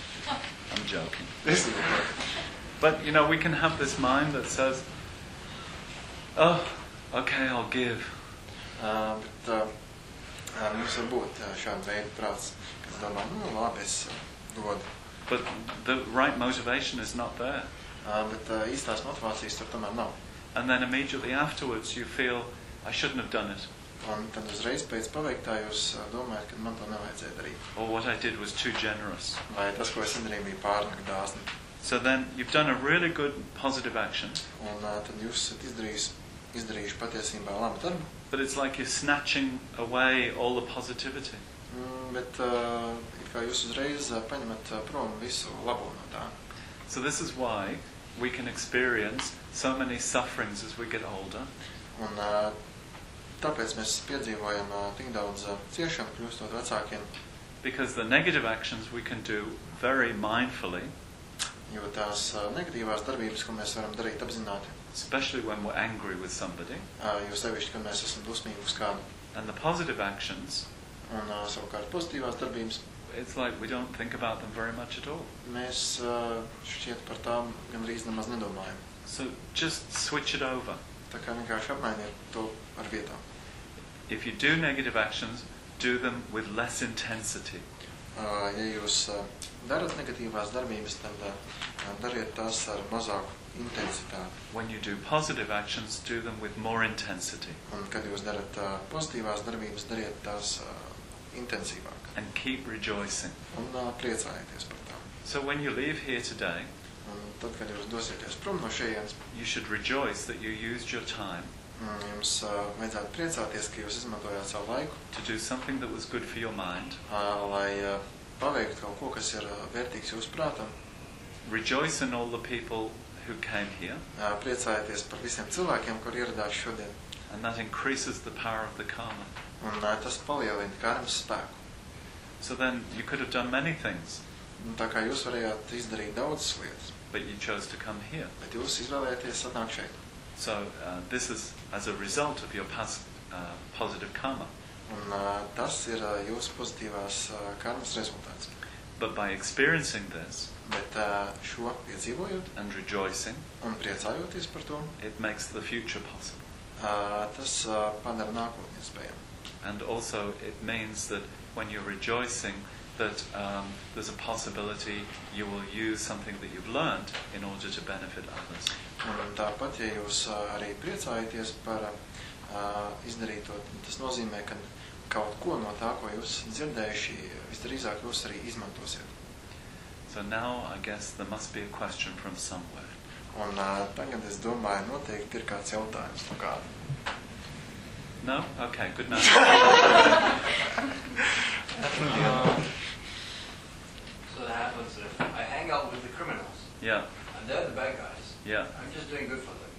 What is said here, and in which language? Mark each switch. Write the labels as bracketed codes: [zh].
[en] I'm joking. But, you know, we can have this mind that says, oh, okay, I'll give. [lv] Mums var būt šāda veida prāts. Domā, nu, labi, es dodu. [en] But the right motivation is not there. [lv] bet īstās motivācijas tur tomēr nav. [en] And then immediately afterwards you feel I shouldn't have done it. [lv] Un tad uzreiz pēc paveiktā jūs domājat, ka man to nevajadzēja darīt. [en] Or what I did was too generous. [lv] Vai tas, ko es nedarīju, bija pārāk dāsni. [en] So then you've done a really good positive action. [lv] Un tad jūs esat izdarījuši patiesībā labu darbu. [en] But it's like you're snatching away all the positivity. [lv] Bet kā jūs uzreiz paņemat prom visu labo no tā. [en] So this is why we can experience so many sufferings as we get older. [lv] Un tāpēc mēs piedzīvojam tik daudz ciešanu kļūstot vecākiem. [en] Because the negative actions we can do very mindfully. [lv] Jo tās negatīvās darbības, ko mēs varam darīt apzināti. [en] Especially when we're angry with somebody. [lv] Jo sevišķi, kad mēs esam dusmīgi uz kādu. [en] And the positive actions. [lv] Un savukārt pozitīvās darbības. [en] It's like we don't think about them very much at all. [lv] Mēs šķiet par tām gandrīz nemaz nedomājam. [en] So just switch it over. [lv] Tā kā vienkārši apmainiet to ar vietā. [en] If you do negative actions, do them with less intensity. [lv] Ja jūs darat negatīvās darbības, tad dariet tās ar mazāku intensitāti. [en] When you do positive actions, do them with more intensity. [lv] Un kad jūs darat pozitīvās darbības, dariet tās intensīvāk. [en] And keep rejoicing. [lv] Un priecājieties par tām. [en] So when you leave here today, [lv] un tad, kad jūs dosieties prom no šejienes, [en] you should rejoice that you used your time. [lv] Jums vajadzētu priecāties, ka jūs izmantojāt savu laiku. [en] To do something that was good for your mind. [lv] Lai paveikt kaut ko, kas ir vērtīgs jūsu prātam. [en] Rejoice in all the people who came here. [lv] Priecājieties par visiem cilvēkiem, kuri ieradās šodien. [en] And that increases the power of the karma. [lv] Un tas palielina karmas spēku. [en] So then you could have done many things. [lv] Tā kā jūs varējāt izdarīt daudzas lietas. [en] But you chose to come here. [lv] Bet jūs izvēlējāties atnākt šeit. [en] So this is as a result of your past positive karma. [lv] Un tas ir jūsu pozitīvās karmas rezultāts. [en] But by experiencing this, [lv] bet šo piedzīvojot, [en] and rejoicing, [lv] un priecājoties par to, [en] it makes the future possible. [lv] Tas padara nākotni iespējamu. [en] And also it means that when you're rejoicing, that there's a possibility you will use something that you've learned in order to benefit others. [lv] Un tāpat, ja jūs arī priecājaties par izdarīto, tas nozīmē, ka kaut ko no tā, ko jūs dzirdējuši, visdrīzāk jūs arī izmantosiet. [en] So now, I guess, there must be a question from somewhere. [lv] Un tagad es domāju, noteikti ir kāds jautājums no kāda. [en] No? Okay, good night. So that happens if I hang out with the criminals. Yeah. And they're the bad guys. Yeah. I'm just doing good for them.